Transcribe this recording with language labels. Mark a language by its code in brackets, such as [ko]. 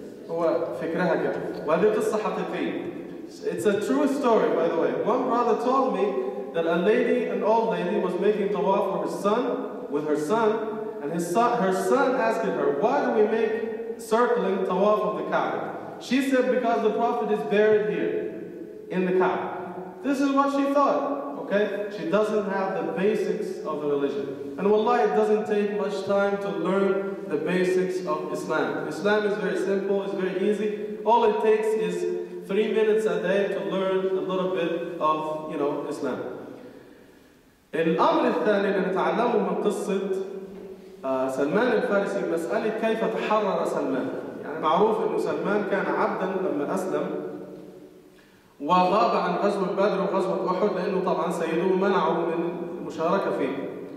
[ar] هو فكرها كده, وهذه قصة حقيقية. [en] It's a true story, by the way. One brother told me that a lady, an old lady, was making tawaf for her son, with her son, and her son asked her, why do we make circling tawaf of the Kaaba? She said, because the Prophet is buried here, in the Kaaba. This is what she thought, okay? She doesn't have the basics of the religion. And wallahi, it doesn't take much time to learn the basics of Islam. Islam is very simple, it's very easy. All it takes is 3 minutes a day to learn a little bit of, you know, Islam. [ar] الأمر الثاني اللي نتعلمه من قصة سلمان الفارسي مسألة كيف تحرر سلمان. يعني معروف إنه سلمان كان عبدا لما أسلم وغاب عن غزوة بدر وغزوة أحد لأنه طبعا سيده منعه من المشاركة فيه.